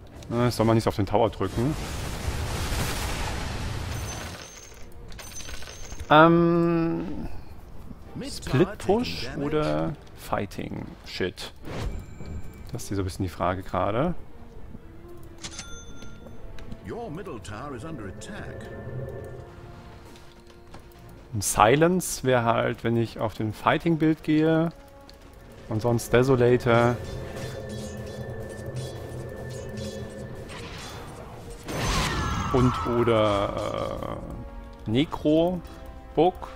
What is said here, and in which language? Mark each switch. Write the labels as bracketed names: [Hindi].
[German] Jetzt soll man nicht auf den Tower drücken. Split-Push oder Fighting-Shit? Das ist hier so ein bisschen die Frage gerade. [English] Your middle tower is under attack. [German] Ein Silence wäre halt, wenn ich auf den Fighting-Build gehe. Und sonst Desolator. und oder Necro Book.